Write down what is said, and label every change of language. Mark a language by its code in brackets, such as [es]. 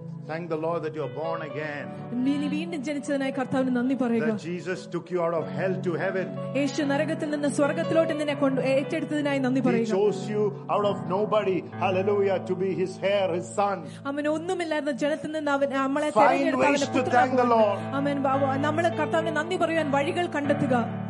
[en] Thank the Lord that you are born again. [ml] നീ വീണ്ടും ജനിച്ചതിനായി കർത്താവിനെ നന്ദി പറയുക. [en] That Jesus took you out of hell to heaven. [ml] യേശു നരകത്തിൽ നിന്ന് സ്വർഗ്ഗത്തിലോട്ട് നിന്നെ കൊണ്ട് ഏറ്റെടുത്തതിനായി നന്ദി പറയുക. [en] He chose you out of nobody, hallelujah, to be his heir, his son. [ml] അവനെ ഒന്നുമില്ലാത്ത ജനത്തിൽ നിന്ന് അവൻ നമ്മളെ തിരഞ്ഞെടുത്തു അവന്റെ പുത്രനാക്കി. ആമേൻ. നമ്മൾ കർത്താവിനെ നന്ദി പറയാൻ വഴികൾ കണ്ടെത്തുക.